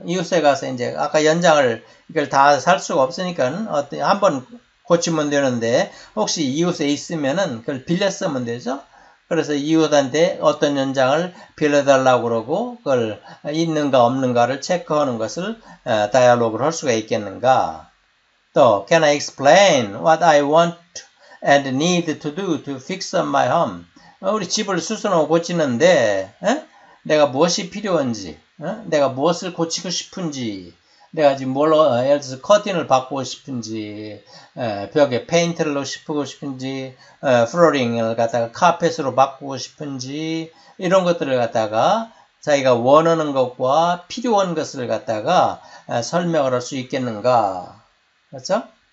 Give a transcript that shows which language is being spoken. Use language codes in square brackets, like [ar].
[ko] 이웃에 가서 이제 아까 연장을 이걸 다살 수가 없으니까 어때 한번 고치면 되는데 혹시 이웃에 있으면은 그걸 빌렸으면 되죠. 그래서 이웃한테 어떤 연장을 빌려달라고 그러고 그걸 있는가 없는가를 체크하는 것을 다이아로그를 할 수가 있겠는가. 또 [en] Can I explain what I want and need to do to fix up my home? [ko] 우리 집을 수선하고 고치는데 내가 무엇이 필요한지, 내가 무엇을 고치고 싶은지, 내가 지금 뭘로, 예를 들어서 커튼을 바꾸고 싶은지, 벽에 페인트를 넣고 싶은지, 플로링을 갖다가 카펫으로 바꾸고 싶은지, 이런 것들을 갖다가 자기가 원하는 것과 필요한 것을 갖다가 설명을 할수 있겠는가. 그렇죠?